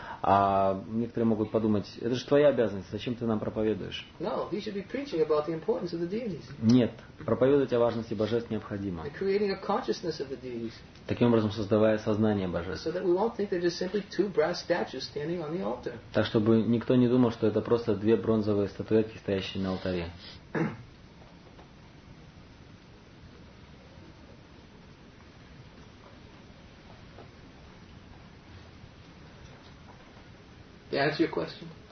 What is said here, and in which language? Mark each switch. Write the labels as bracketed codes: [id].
[ru] А некоторые могут подумать, это же твоя обязанность, зачем ты нам проповедуешь? [en] No, he should be preaching about the importance of the deities. [ru] Нет, проповедовать о важности божеств необходимо. [en] And creating a consciousness of the deities. [ru] Таким образом, создавая сознание божеств. [en] So that we won't think they're just simply two brass statues standing on the altar. [ru] Так, чтобы никто не думал, что это просто две бронзовые статуэтки, стоящие на алтаре. [en] Did I answer your question?